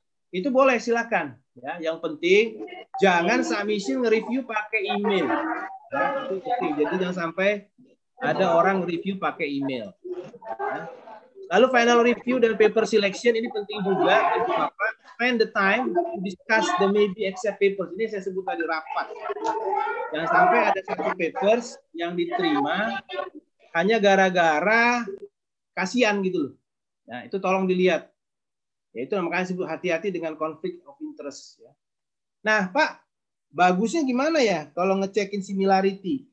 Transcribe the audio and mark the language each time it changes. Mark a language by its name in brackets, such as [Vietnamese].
[Indonesian] Itu boleh, silakan. Ya, yang penting jangan submission nge-review pakai email. Ya, itu penting. Jadi jangan sampai ada orang review pakai email. Ya. Lalu final review dan paper selection ini penting juga. Itu apa? [English] spend the time to discuss the maybe accept papers. [Indonesian] Ini saya sebut tadi rapat. Jangan sampai ada satu papers yang diterima hanya gara-gara kasihan gitu loh. Nah, itu tolong dilihat. Ya, itu makanya sebut hati-hati dengan conflict of interest. Ya. Nah, Pak, bagusnya gimana ya kalau ngecekin similarity?